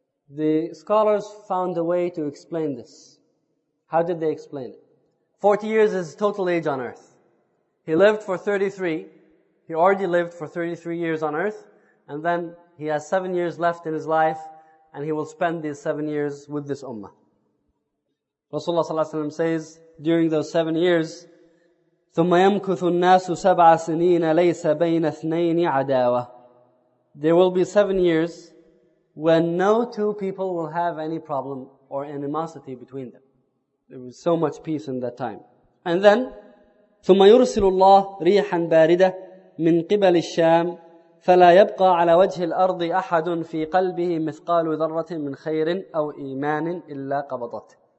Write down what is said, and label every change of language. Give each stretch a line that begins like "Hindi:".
English: The scholars found a way to explain this. How did they explain it? 40 years is total age on earth. He lived for 33. He already lived for 33 years on earth. And then he has 7 years left in his life, and he will spend these 7 years with this ummah. Rasulullah sallallahu alaihi wasallam says, during those 7 years,
Arabic: ثُمَّ يَمْكُثُ النَّاسُ سَبْعَ سِنِينَ لَيْسَ بَيْنَ اثْنَيْنِ عَدَاوَةٍ.
English: There will be 7 years when no two people will have any problem or animosity between them. There was so much peace in that time. And then,
Arabic: ثُمَّ يُرْسِلُ اللَّهُ رِيحًا بَارِدَةً مِنْ قِبَلِ الشَّامِ فَلَا يَبْقَى عَلَى وَجْهِ الْأَرْضِ أَحَدٌ فِي قَلْبِهِ مِثْقَالُ ذَرَّةٍ مِنْ خَيْرٍ أَوْ إِيمَانٍ إِلَّا قَبَضَتْهِ.